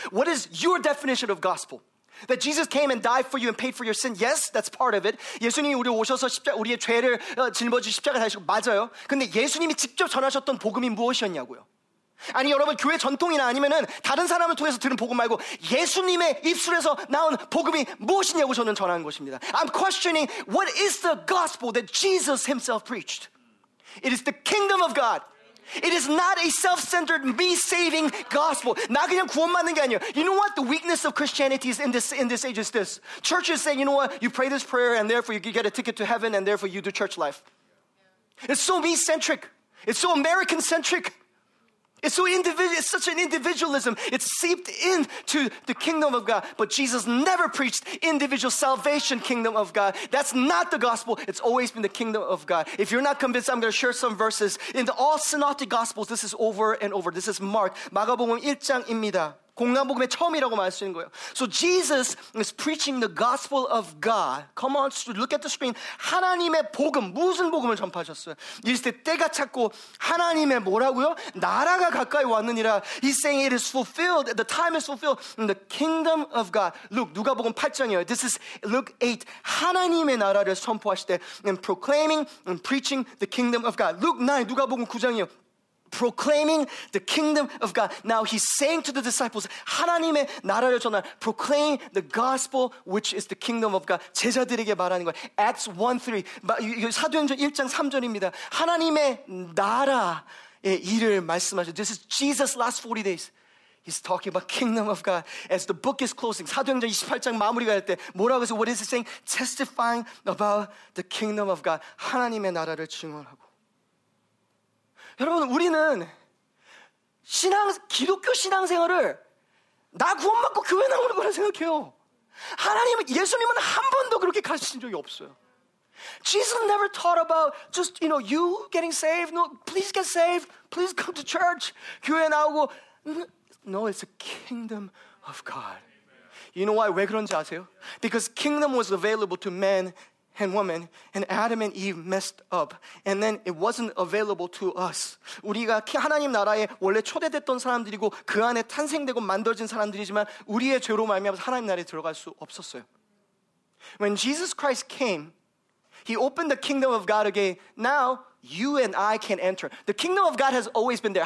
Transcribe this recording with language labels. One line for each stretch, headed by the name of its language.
English: What is your definition of gospel? That Jesus came and died for you and paid for your sin. Yes, that's part of it.
Korean: 예수님이 우리 오셔서 십자, 우리의 죄를 짊어지 십자가 달리시고 맞아요. 근데 예수님이 직접 전하셨던 복음이 무엇이었냐고요? 아니 여러분 교회 전통이나 아니면은 다른 사람을 통해서 들은 복음 말고 예수님의 입술에서 나온 복음이 무엇이냐고 저는 전하는 것입니다.
English: I'm questioning what is the gospel that Jesus himself preached. It is the kingdom of God. It is not a self-centered, me-saving gospel.
Korean: 나 그냥 구원받는 게 아니에요.
English: You know what the weakness of Christianity is in this age is this. Churches say, you know what, you pray this prayer and therefore you get a ticket to heaven and therefore you do church life. Yeah. It's so me-centric. It's so American-centric. It's so individual. It's such an individualism. It's seeped into the kingdom of God. But Jesus never preached individual salvation kingdom of God. That's not the gospel. It's always been the kingdom of God. If you're not convinced, I'm going to share some verses. In all synoptic gospels, this is over and over. This is Mark.
Korean: 마가복음 1장입니다. 공간복음의 처음이라고 말씀하는 거예요.
English: So Jesus is preaching the gospel of God. Come on, look at the screen.
Korean: 하나님의 복음, 무슨 복음을 전파하셨어요? 이때 때가 찼고 하나님의 뭐라고요? 나라가 가까이 왔느니라.
English: He's saying it is fulfilled, the time is fulfilled, the kingdom of God. Look,
Korean: 누가복음 8장이에요.
English: This is Luke 8.
Korean: 하나님의 나라를 선포하실 때
English: and proclaiming and preaching the kingdom of God. Luke 9,
Korean: 누가복음 9장이에요.
English: Proclaiming the kingdom of God. Now he's saying to the disciples,
Korean: 하나님의 나라를 전할,
English: proclaim the gospel which is the kingdom of God.
Korean: 제자들에게 말하는 거예요. Acts 1:3. 사도행전 1장 3절입니다. 하나님의 나라의 일을 말씀하셔.
English: This is Jesus' last 40 days. He's talking about kingdom of God. As the book is closing,
Korean: 사도행전 28장 마무리가 될 때 뭐라고 해서
English: what is he saying? Testifying about the kingdom of God.
Korean: 하나님의 나라를 증언하고. 여러분 우리는 신앙 기독교 신앙생활을 나 구원받고 교회 나오는 거라 생각해요. 하나님은 예수님은 한 번도 그렇게 가르친 적이 없어요.
English: Jesus never taught about just you know you getting saved. No, please get saved. Please come to church.
Korean: 교회 나오고
English: No, it's a kingdom of God. You know why?
Korean: 왜 그런지 아세요?
English: Because kingdom was available to men. And woman, and Adam and Eve messed up. And then it wasn't available to us.
Korean: 우리가 하나님 나라에 원래 초대됐던 사람들이고 그 안에 탄생되고 만들어진 사람들이지만 우리의 죄로 말미암아 하나님 나라에 들어갈 수 없었어요.
English: When Jesus Christ came, he opened the kingdom of God again. Now you and I can enter. The kingdom of God has always been there.